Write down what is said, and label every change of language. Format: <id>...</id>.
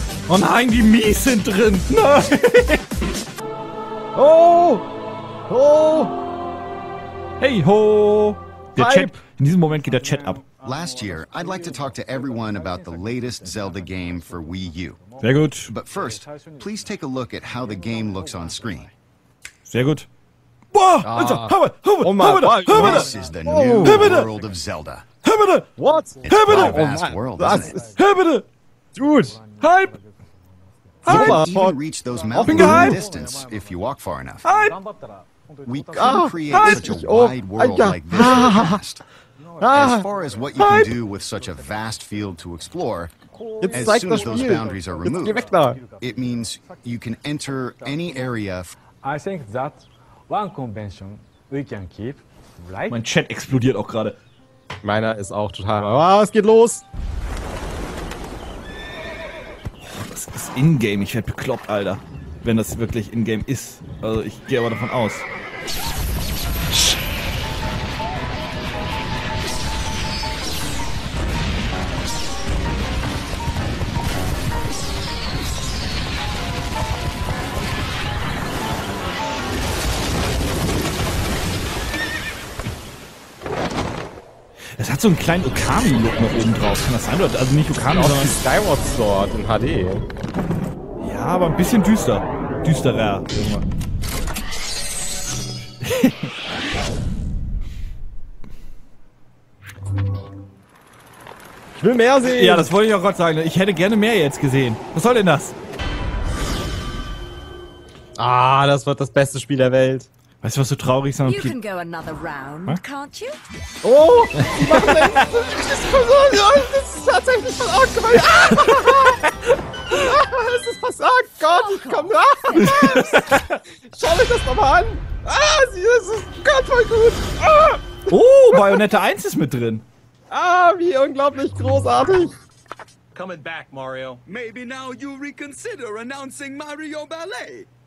<de>Oh nein, die Mies sind drin! Nein! Oh! Oh! Hey ho! Der Chat, in diesem Moment geht der Chat ab.</de> <en>Last year, I'd like to talk to everyone about the latest Zelda game for Wii U.</en> <de>Sehr gut.</de> <en>But first, please take a look at how the game looks on screen.</en> <de>Sehr gut. Boah! Hör mal! Hör mal!</de> <en>This is the new world of Zelda.</en> <de>Hör mal!</de> <en>What?</en> <de>Hör mal!</de> <en>It's a vast world, isn't it?</en> <de>Hör mal!</de> <en>Dude! Hype! You can even reach those mountains in the distance if you walk far enough.</en> <de>Halt.</de> <en>We can create such a wide world like this in the past. As far as what you can do with such a vast field to explore, as soon as those boundaries are removed, it means you can enter any area. I think that one convention we can keep, right?</en> <de>Mein Chat explodiert auch gerade. Meiner ist auch total. Ah, es geht los!</de> <en>in-game.</en> <de>Ich werde bekloppt, Alter. Wenn das wirklich in-game ist. Also, ich gehe aber davon aus. Es hat so einen kleinen Okami-Look noch oben drauf. Kann das sein? Also nicht Okami, sondern die Skyward Sword in HD. Ja, aber ein bisschen düster. Düsterer. Ich will mehr sehen. Ja, das wollte ich auch gerade sagen. Ich hätte gerne mehr jetzt gesehen. Was soll denn das? Ah, das wird das beste Spiel der Welt. Weißt du, was so traurig ist?</de> <en>You can go another round, can't you?</en> <de>Oh! Das ist versagt! Das ist tatsächlich versagt! Ah, das ist versagt! Gott, ich komm nach! Schau euch das nochmal an! Ah, das ist Gott voll gut! Ah. Oh, Bayonetta 1 ist mit drin! Ah, wie unglaublich großartig!</de> <en>Coming back, Mario. Maybe now you reconsider announcing Mario Ballet.</en>